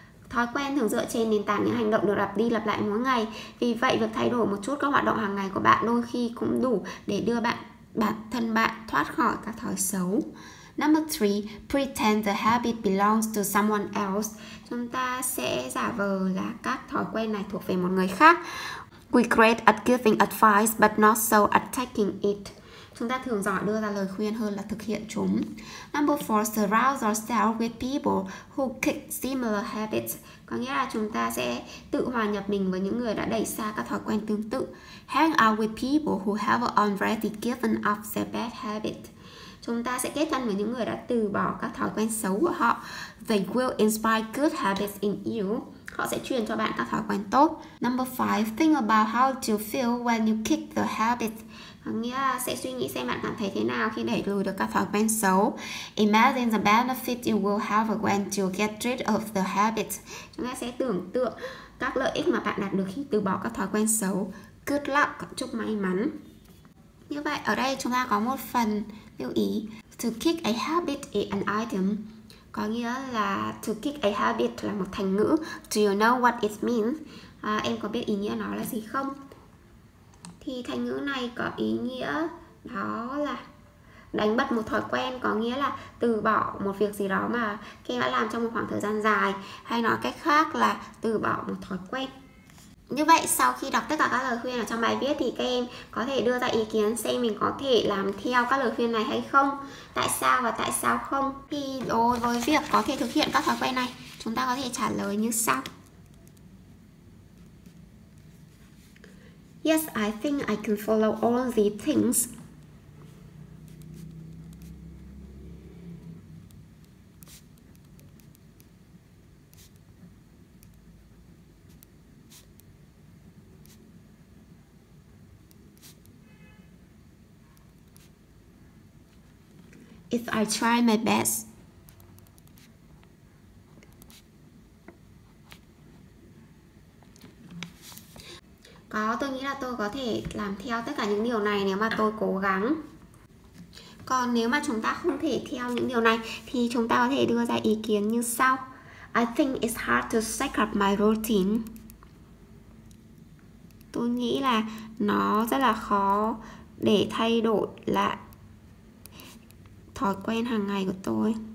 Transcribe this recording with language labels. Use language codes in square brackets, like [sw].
[vi] Thói quen thường dựa trên nền tảng những hành động được lặp đi lặp lại mỗi ngày. Vì vậy, việc thay đổi một chút các hoạt động hàng ngày của bạn đôi khi cũng đủ để đưa bản thân bạn thoát khỏi các thói xấu. [en] Number 3, pretend the habit belongs to someone else. [vi] Chúng ta sẽ giả vờ là các thói quen này thuộc về một người khác. [en] We're great at giving advice but not so at taking it. [vi] Chúng ta thường giỏi đưa ra lời khuyên hơn là thực hiện chúng. [en] Number 4, surround yourself with people who kick similar habits. [vi] Có nghĩa là chúng ta sẽ tự hòa nhập mình với những người đã đẩy xa các thói quen tương tự. [en] Hang out with people who have already given up their bad habits. [vi] Chúng ta sẽ kết thân với những người đã từ bỏ các thói quen xấu của họ. [en] They will inspire good habits in you. [vi] Họ sẽ truyền cho bạn các thói quen tốt. [en] Number 5, think about how you feel when you kick the habit. [vi] Có nghĩa là sẽ suy nghĩ xem bạn cảm thấy thế nào khi đẩy lùi được các thói quen xấu. [en] Imagine the benefit you will have when you get rid of the habit. [vi] Chúng ta sẽ tưởng tượng các lợi ích mà bạn đạt được khi từ bỏ các thói quen xấu. [en] Good luck, [vi] chúc may mắn. Như vậy, ở đây chúng ta có một phần lưu ý. [en] To kick a habit is an item. [vi] Có nghĩa là [en] to kick a habit [vi] là một thành ngữ. [en] Do you know what it means? [vi] Em có biết ý nghĩa nó là gì không? Thì thành ngữ này có ý nghĩa đó là đánh bật một thói quen, có nghĩa là từ bỏ một việc gì đó mà Kim đã làm trong một khoảng thời gian dài, hay nói cách khác là từ bỏ một thói quen. Như vậy sau khi đọc tất cả các lời khuyên ở trong bài viết thì các em có thể đưa ra ý kiến xem mình có thể làm theo các lời khuyên này hay không, tại sao và tại sao không. Thì đối với việc có thể thực hiện các thói quen này, chúng ta có thể trả lời như sau. [en] Yes, I think I can follow all the things. If I try my best. [vi] Có, tôi nghĩ là tôi có thể làm theo tất cả những điều này nếu mà tôi cố gắng. Còn nếu mà chúng ta không thể theo những điều này thì chúng ta có thể đưa ra ý kiến như sau. [en] I think it's hard to set up my routine. [vi] Tôi nghĩ là nó rất là khó để thay đổi lại thói quen hàng ngày của tôi.